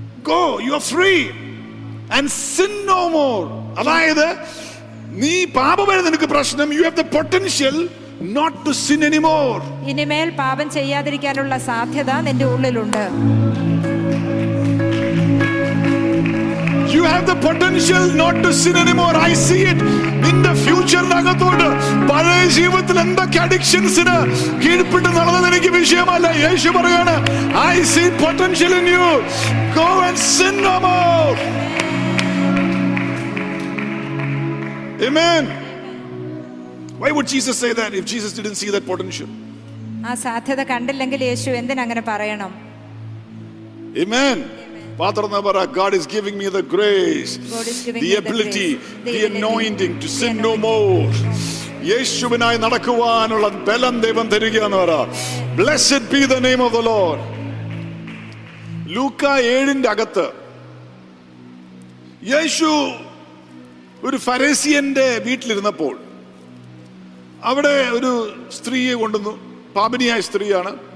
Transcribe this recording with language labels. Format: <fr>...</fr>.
<en>Go, you are free and sin no more.</en> <ml>അതായത് നീ പാപമല്ല നിനക്ക് പ്രശ്നം,</ml> <en>You have the potential not to sin anymore.</en> <ml>ഇനിമേൽ പാപം ചെയ്യാതിരിക്കാനുള്ള സാധ്യത നിന്റെ ഉള്ളിലുണ്ട്.</ml> <en>You have the potential not to sin anymore. I see it in the future.</en> <ml>നഗതോട് പഴയ ജീവിതത്തിൽ എന്തൊക്കെ അഡിക്ഷൻസിന് കീഴ്പ്പെട്ട് നടന്നത് എനിക്ക് വിഷയമല്ല. യേശു പറയാണ്,</ml> <en>I see potential in you. Go and sin no more. Amen. Why would Jesus say that if Jesus didn't see that potential?</en> <ml>ആ സാധ്യത കണ്ടില്ലെങ്കിൽ യേശു എന്തിനങ്ങനെ പറയണം?</ml> <en>Amen. Father, God is giving me the grace, the ability, the anointing to sin no more.</en> <ml>യേശുവിനായി നടക്കുവാനുള്ള ബലം ദൈവം തരിക എന്ന് പറ.</ml> <en>Blessed be the name of the Lord.</en> <ml>Luka 7-ന്റെ അകത്ത് യേശു ഒരു ഫരീസിയന്റെ വീട്ടിലിരുന്നപ്പോൾ അവിടെ ഒരു സ്ത്രീയെ കൊണ്ടുവന്നു. പാപിനിയായ സ്ത്രീയാണ്.</ml>